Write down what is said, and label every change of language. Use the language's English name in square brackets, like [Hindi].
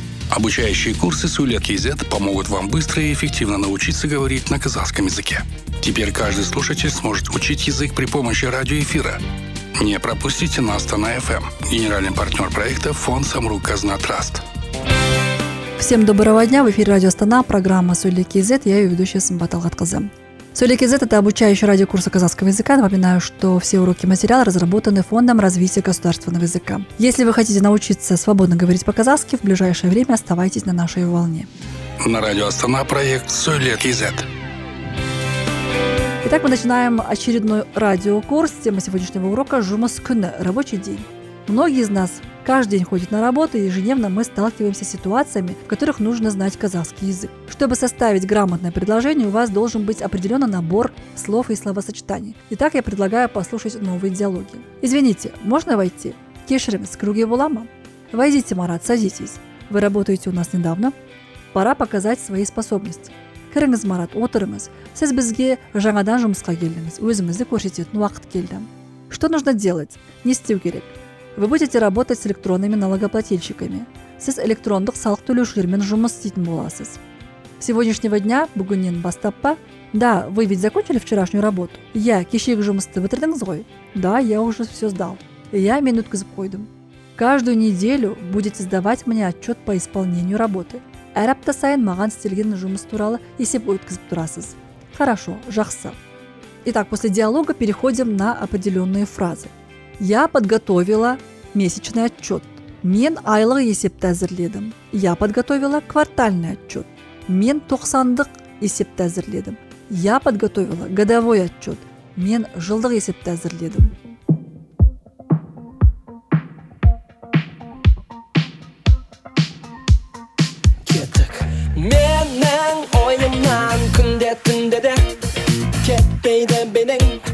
[Russian] Обучающие курсы Сулет.кз помогут вам быстро и эффективно научиться говорить на казахском языке. Теперь каждый слушатель сможет учить язык при помощи радиоэфира. Не пропустите нас на FM. Генеральный партнер проекта – фонд «Самрук Казна Траст». Всем доброго дня. В эфире радио «Астана», программа «Сулет.кз». Я ее ведущая Сымбат Алгаткызы. Сулет.кз – это обучающий радиокурс казахского языка. Напоминаю, что все уроки и материалы разработаны Фондом развития государственного языка. Если вы хотите научиться свободно говорить по-казахски, в ближайшее время оставайтесь на нашей волне. На радио «Астана» проект «Сулет.кз». Итак, мы начинаем очередной радиокурс. Тема сегодняшнего урока – «Жумыс күні» – «Рабочий день». Многие из нас каждый день ходят на работу, и ежедневно мы сталкиваемся с ситуациями, в которых нужно знать казахский язык. Чтобы составить грамотное предложение, у вас должен быть определенный набор слов и словосочетаний. Итак, я предлагаю послушать новые диалоги. Извините, можно войти? [Kazakh] Кешрим с круги вулама. [Russian] Войдите, Марат, садитесь. Вы работаете у нас недавно. Пора показать свои способности. [Kazakh] Кириңіз, Марат, отырыңыз. Сіз бізге жаңадан жұмысқа келдіңіз. Өзімізді көрсететін уақыт келді. [Russian] Что нужно делать? [Kazakh] Не істеу керек? [Russian] Вы будете работать с электронными налогоплательщиками. [Kazakh] Сіз электрондық салық төлеушілермен жұмыс істейтін боласыз. [Russian] Сегодняшнего дня, [Kazakh] бүгіннен бастап па? [Russian] Да, вы ведь закончили вчерашнюю работу. [Kazakh] Я кешегі жұмысты бітірдіңіз ғой? [Russian] Да, я уже все сдал. [Kazakh] Я мен өткізіп қойдым. [Russian] Каждую неделю будете сдавать мне отчет по исполнению работы. [Kazakh] Әр апта сайын маған істелген жұмыс туралы есеп өткізіп тұрасыз. [Russian] Хорошо, [Kazakh] жақсы. [Russian] Итак, после диалога переходим на определенные фразы. Я подготовила месячный отчет. [Kazakh] Мен айлық есепті әзірледім. [Russian] Я подготовила квартальный отчет. [Kazakh] Мен тоқсандық есепті әзірледім. [Russian] Я подготовила годовой отчет. [Kazakh] Мен жылдық есепті әзірледім. Кеттік. Менің ойымнан күнде түнде де кетпейді менің.